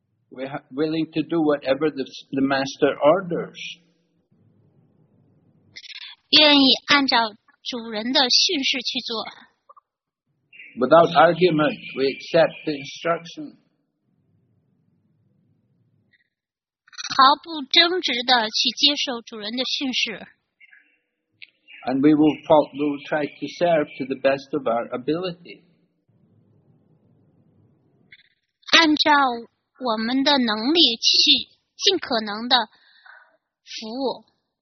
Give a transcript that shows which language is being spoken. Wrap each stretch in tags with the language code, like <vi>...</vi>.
<en>We are willing to do whatever the master orders.</en> <zh>愿意按照主人的训示去做。</zh> <en>Without argument, we accept the instruction.</en> <zh>毫不争执地去接受主人的训示。</zh> <en>And we will, try to serve to the best of our ability.</en> <zh>按照我们的能力去尽可能的服务。</zh>